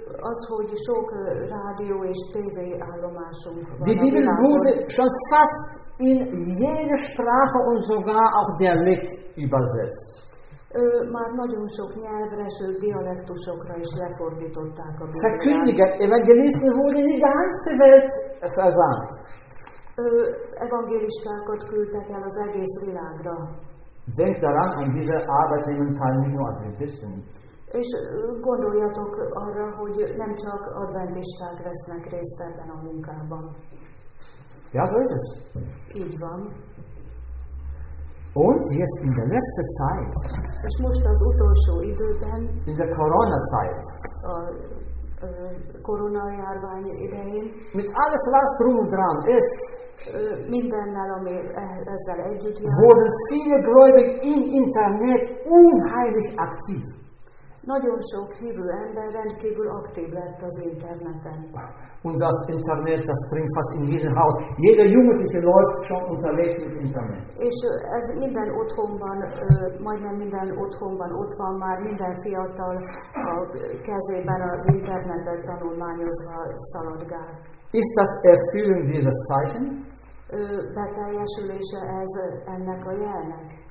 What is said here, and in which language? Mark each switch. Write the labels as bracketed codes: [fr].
[hu] Az, hogy sok rádió és TV állomásunk van. [de] Die Bibel wurde schon fast in jede Sprache und sogar auch Dialekt übersetzt. [hu] Már nagyon sok nyelvre, sőt dialektusokra is lefordították a Bibliát. [de] Verkündiger, Evangelisten wurden in die ganze Welt versandt. [hu] Evangelistákat küldtek el az egész világra. [de] Denk daran, an dieser Arbeit nehmen teilnehmen nur Adventisten. [hu] És gondoljatok arra, hogy nem csak adventisták vesznek részt ebben a munkában. [de] Ja, so ist es. [hu] Így van. [de] Und jetzt in der letzten Zeit. [hu] És most az utolsó időben. [de] In der Corona-Zeit. [hu] A koronajárvány idején. [de] Mit alles was drum und dran ist. [hu] Mindennel, ami ezzel együtt jár. [de] Wurden viele Gläubige im Internet unheimlich aktiv. [hu] Nagyon sok hívő ember rendkívül aktív lett az interneten. [de] Und das Internet, das springt fast in jedem Haus. Jeder Jugendliche läuft schon unterwegs im Internet. [hu] És ez minden otthonban, majdnem minden otthonban ott van már, minden fiatal a kezében az internetet tanulmányozva szaladgál. [de] Ist das Erfüllung dieses Zeichen? [hu] Beteljesülése ez ennek a jelnek?